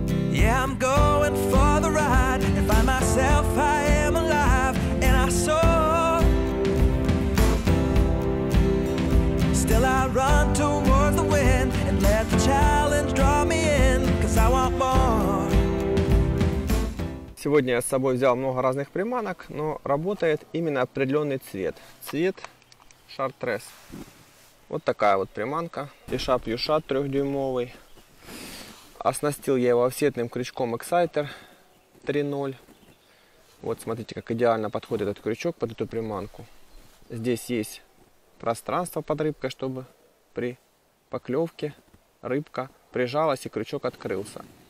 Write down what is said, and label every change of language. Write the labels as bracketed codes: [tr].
[en] Yeah, I'm going for the ride, and find myself I am alive, and I soar. Till I run towards the wind and let the challenge draw me in, 'cause I want more. [ru] Сегодня я с собой взял много разных приманок, но работает именно определенный цвет. Цвет шартрез. Вот такая вот приманка. Fishup U-Shot 3-дюймовый. Оснастил я его офсетным крючком Exciter 3.0. Вот смотрите, как идеально подходит этот крючок под эту приманку. Здесь есть пространство под рыбкой, чтобы при поклевке рыбка прижалась и крючок открылся.